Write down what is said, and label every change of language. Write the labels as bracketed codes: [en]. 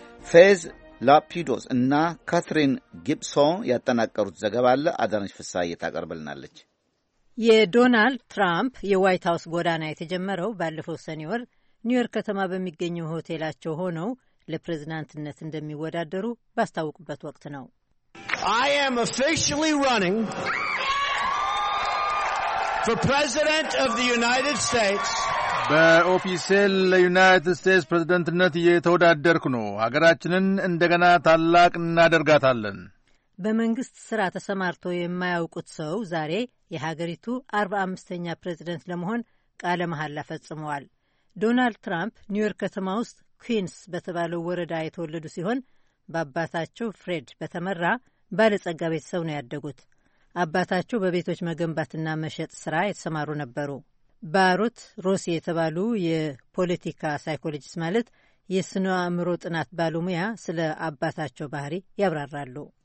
[am] ፌዝ ላፒዶስ እና ካትሪን ጊብሶን ያጠናቀሩት ዘገባ አለ። አዳነች ፍሳዬ ታቀርብልናለች። የዶናልድ ትራምፕ የዋይት ሀውስ ጎዳና የተጀመረው ባለፈው ሰኔ ወር ኒውዮርክ ከተማ በሚገኘው ሆቴላቸው ሆነው ለፕሬዝዳንትነት እንደሚወዳደሩ ባስታወቁበት ወቅት ነው። [en] I am officially running for President of the United States. [am] በኦፊሴል ለዩናይትድ ስቴትስ ፕሬዝዳንትነት እየተወዳደርኩ ነው። ሀገራችንን እንደገና ታላቅ እናደርጋታለን። በመንግስት ስራ ተሰማርቶ የማያውቁት ሰው ዛሬ የሀገሪቱ 45ኛ ፕሬዝዳንት ለመሆን ቃለ መሐላ ፈጽመዋል። ዶናልድ ትራምፕ ኒውዮርክ ከተማ ውስጥ ኩዊንስ በተባለው ወረዳ የተወለዱ ሲሆን በአባታቸው ፍሬድ በተመራ ባለጸጋ ቤተሰብ ነው ያደጉት። አባታቸው በቤቶች መገንባትና መሸጥ ስራ የተሰማሩ ነበሩ። ባሩት ሮሲ የተባሉ የፖለቲካ ሳይኮሎጂስት ማለት የስነ አእምሮ ጥናት ባለሙያ ስለ አባታቸው ባህሪ ያብራራሉ።